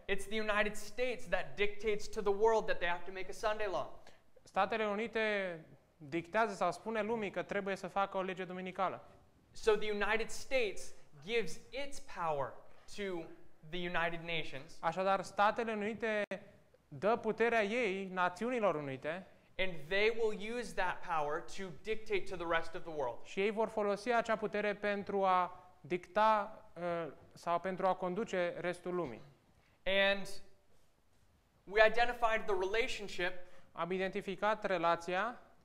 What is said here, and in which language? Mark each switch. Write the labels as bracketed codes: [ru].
[en] it's the United States that dictates to the world that they have to make a Sunday law. [ro] Statele Unite dictează sau spune lumii că trebuie să facă o lege duminicală. [en] So the United States gives its power to the United Nations. [ro] Așadar, Statele Unite dă puterea ei Națiunilor Unite. [en] And they will use that power to dictate to the rest of the world. [ro] Și ei vor folosi acea putere pentru a dicta sau pentru a conduce restul lumii. [en] And we identified the relationship. [ro] Am identificat relația